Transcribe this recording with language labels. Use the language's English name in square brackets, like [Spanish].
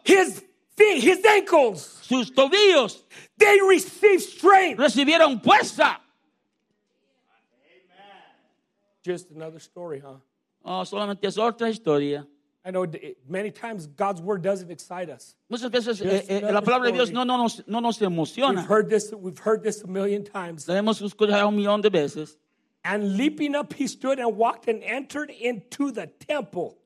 [English] His feet, his ankles. [Spanish] Sus tobillos. [English] They received strength. [Spanish] Recibieron fuerza. [English] Amen. Just another story, huh? [Spanish] Oh, solamente es otra historia. [English] I know many times God's word doesn't excite us. [Spanish] Muchas veces la palabra de Dios no nos emociona. [English] We've heard this a million times. [Spanish] La hemos escuchado un millón de veces. [English] And leaping up, he stood and walked and entered into the temple.